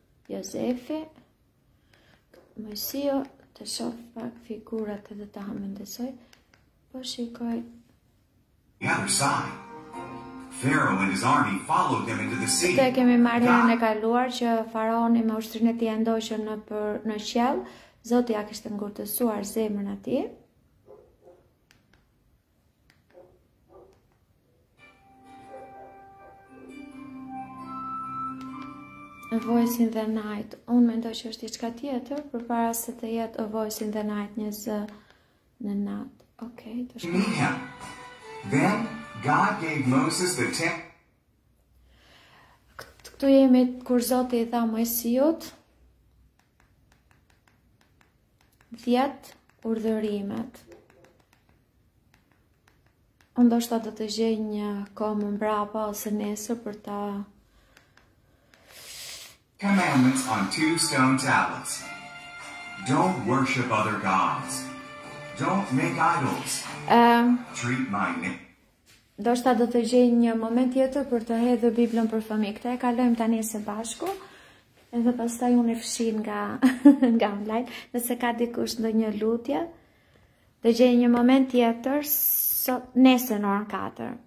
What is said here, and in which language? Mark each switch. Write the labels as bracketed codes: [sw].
[sq] Josefi, Mojsiu, të shof pak figurat edhe të hamendesoj, po shikoj. [en] The other side, Pharaoh and his army followed them into the sea. [sq] Këtë kemi marrën e kaluar që faraoni me ushtrinë e tij ndoqën në qiell, Zoti ja kishte ngurtësuar zemrën atij. A Voice in the Night. Unë mendoj që është diçka tjetër përpara se të jetë A Voice in the Night, një zë në natë. Okej, do shkoj. [en] Then God gave Moses the ten. [sq] Këtu jemi kur Zoti i dha Mojsiut 10 urdhërimet. Ndoshta do të gjej një kohë më mbrapa ose nesër për ta. [en] Commandments on two stone tablets. Don't worship other gods. Don't make idols. Treat my name. [sq] Do shta do të gjej një moment tjetër për të hedhur Biblën për fëmijë. Këtë e kalojmë tani së bashku. Edhe pastaj unë fshin nga online. Nëse ka dikush ndonjë lutje, do gjej një moment tjetër sot nesër në orën 4.